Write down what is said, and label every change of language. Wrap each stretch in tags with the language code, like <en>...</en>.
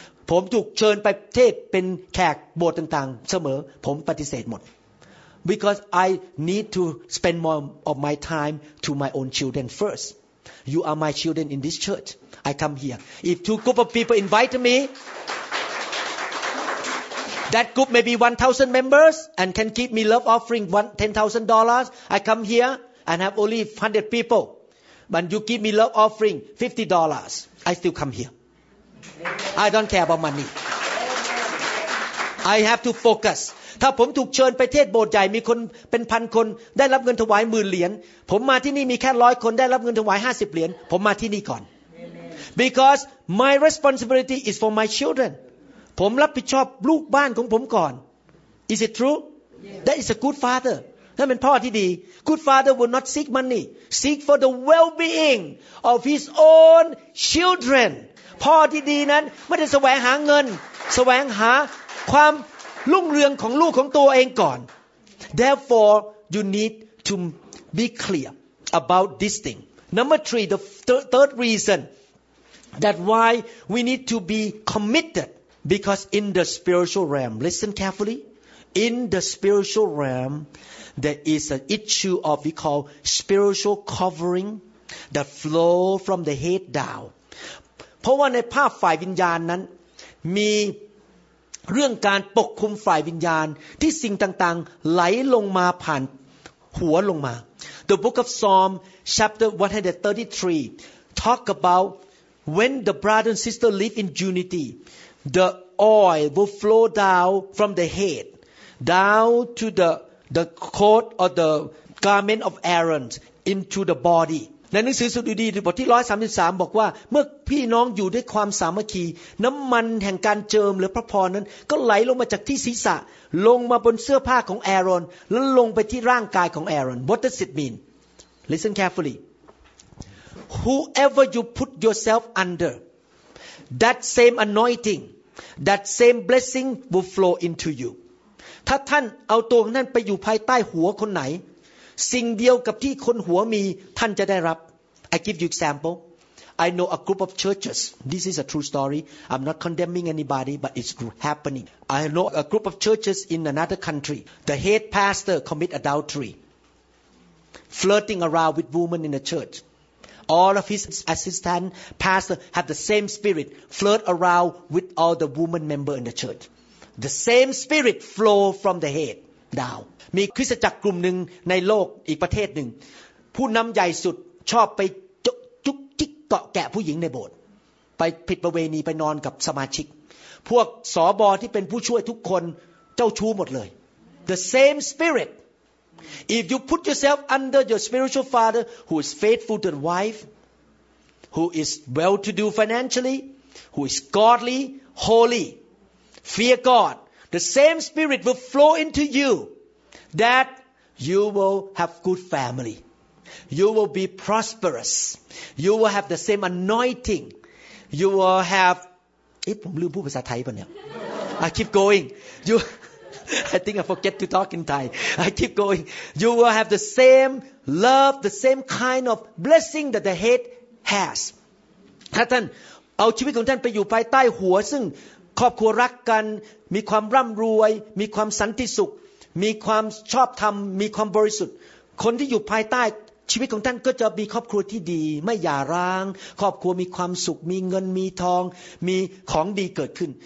<th>ผมถูกเชิญไปเทศเป็นแขกโบสถ์ต่างๆเสมอผมปฏิเสธหมด</th> <en>because I need to spend more of my time to my own children first you are my children in this church I come here if two group of people invite me that group may be 1,000 members and can give me love offering $10,000 I come here and have only 100 people but you give me love offering $50 I still come hereI don't care about money. I have to focus.</en> <th>ถ้าผมถูกเชิญไปเทศโบสถ์ใหญ่มีคนเป็นพันคนได้รับเงินถวาย 10,000 เหรียญผมมาที่นี่มีแค่100คนได้รับเงินถวาย50เหรียญผมมาที่นี่ก่อน</th> <en>Because my responsibility is for my children.</en> <th>ผมรับผิดชอบลูกบ้านของผมก่อน</th> <en>Is it true? That is a good father.</en> <th>นั่นเป็นพ่อที่ดี</th> <en>Good father will not seek money. Seek for the well-being of his own children.</en> <th>พ่อที่ดีนั้นไม่ได้แสวงหาเงินแสวงหาความรุ่งเรืองของลูกของตัวเองก่อน</th> <en>Therefore you need to be clear about this thing Number 3 the third reason that why we need to be committed because in the spiritual realm listen carefully in the spiritual realm there is an issue of we call spiritual covering that flow from the head down</en> <th>เพราะว่าในภาพฝ่ายวิญญาณนั้นมีเรื่องการปกคลุมฝ่ายวิญญาณที่สิ่งต่างๆไหลลงมาผ่านหัวลงมา</th> <en>The Book of Psalm chapter 133 talk about when the brother and sister live in unity the oil will flow down from the head down to the coat or the garment of Aaron into the body</en> <th>ในหนังสือสดุดีบทที่133บอกว่าเมื่อพี่น้องอยู่ด้วยความสามัคคีน้ำมันแห่งการเจิมหรือพระพรนั้นก็ไหลลงมาจากที่ศีรษะลงมาบนเสื้อผ้าของแอรอนแล้วลงไปที่ร่างกายของแอรอน</th> <en>What does it mean? Listen carefully. Whoever you put yourself under, that same anointing, that same blessing will flow into you.</en> <th>ถ้าท่านเอาตัวของท่านไปอยู่ภายใต้หัวคนไหนสิ่งเดียวกับที่คนหัวมีท่านจะได้รับ</th> <en>I give you example I know a group of churches this is a true story I'm not condemning anybody but it's happening I know a group of churches in another country the head pastor commit adultery flirting around with women in the church all of his assistant pastor have the same spirit flirt around with all the women member in the church the same spirit flow from the head down</en> <th>มีคริสตจักรกลุ่มหนึ่งในโลกอีกประเทศหนึ่งผู้นำใหญ่สุดชอบไปจุกจิกเกาะแกะผู้หญิงในโบสถ์ไปผิดประเวณีไปนอนกับสมาชิกพวกสบอที่เป็นผู้ช่วยทุกคนเจ้าชู้หมดเลย</th> <en>The same spirit If you put yourself under your spiritual father who is faithful to the wife who is well to do financially who is godly holy fear God the same spirit will flow into youThat you will have good family, you will be prosperous, you will have the same anointing, you will have.</en> <th>ผมลืมพูดภาษาไทยป่ะเนี่ย</th> <en>I keep going. You, I think I forget to talk in Thai. I keep going. You will have the same love, the same kind of blessing that the head has.</en> <th>ถ้าท่านเอาชีวิตของท่านไปอยู่ภายใต้หัวซึ่งครอบครัวรักกันมีความร่ำรวยมีความสันติสุขมีความชอบธรรมมีความบริสุทธิ์คนที่อยู่ภายใต้ชีวิตของท่านก็จะมีครอบครัวที่ดีไม่หย่าร้างครอบครัวมีความสุขมีเงินมีทองมีของดีเกิดขึ้น</th>